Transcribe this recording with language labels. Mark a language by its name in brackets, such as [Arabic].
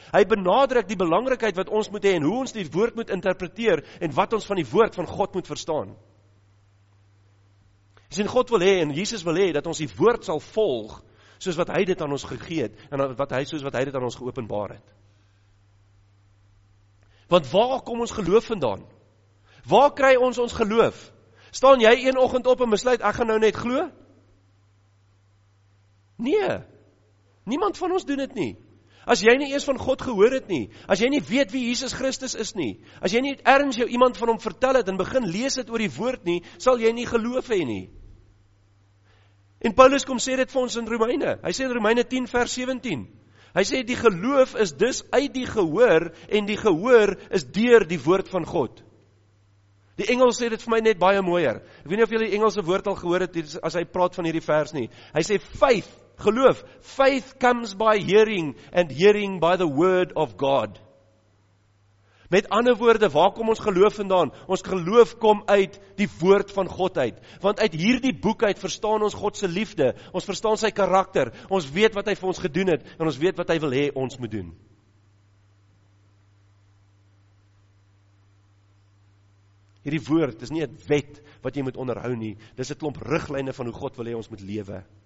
[Afrikaans] Hy benadruk die belangrikheid wat ons moet hê en hoe ons die woord moet interpreteer en wat ons van die woord van God moet verstaan. Jy sien, God wil hê en Jesus wil hê dat ons die woord sal volg soos wat hy dit aan ons gegee het en soos wat hy dit aan ons geopenbaar het. Want waar kom ons geloof vandaan? Waar kry ons geloof? Staan jy een oggend op en besluit, ek gaan nou net glo? Nee, niemand van ons doen het nie. As jy nie eers van God gehoor het nie, as jy nie weet wie Jesus Christus is nie, as jy nie ergens jou iemand van hom vertel het en begin lees het oor die woord nie, sal jy nie geloof hê nie. En Paulus kom sê dit vir ons in Romeine. Hy sê in Romeine 10 vers 17, Hy sê die geloof is dus uit die gehoor en die gehoor is deur die woord van God. Die Engels sê dit vir my net baie mooier. Ek weet nie of jy die Engelse woord al gehoor het as hy praat van hierdie vers nie. Hy sê [English] faith, [Afrikaans] geloof, [English] faith comes by hearing and hearing by the word of God. [Afrikaans] Met ander woorde, waar kom ons geloof vandaan? Ons geloof kom uit die woord van God uit. Want uit hierdie boek uit verstaan ons God se liefde, ons verstaan sy karakter, ons weet wat hy vir ons gedoen het, en ons weet wat hy wil hê ons moet doen. Hierdie woord is nie 'n wet wat jy moet onderhou nie, dis 'n klomp riglyne van hoe God wil hê ons moet lewe.